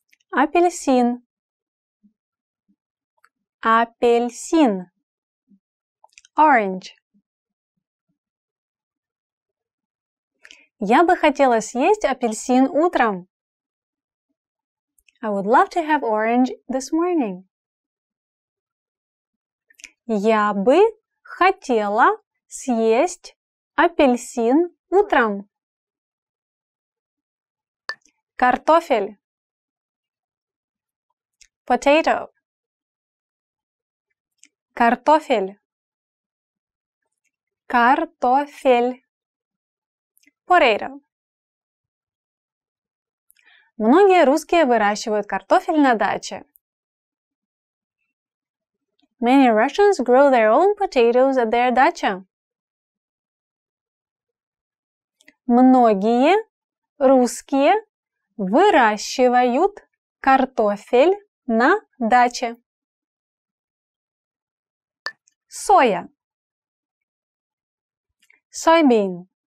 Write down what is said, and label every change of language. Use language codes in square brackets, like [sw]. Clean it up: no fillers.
[ru] Апельсин. Апельсин. [en] Orange. [ru] Я бы хотела съесть апельсин утром. [en] I would love to have orange this morning. [ru] Я бы хотела съесть апельсин утром. Картофель. [en] Potato. [ru] Картофель. Картофель. [en] Potato. [ru] Многие русские выращивают картофель на даче. [en] Many Russians grow their own potatoes at their dacha. [ru] Многие русские выращивают картофель на даче. Соя. [en] Soybean.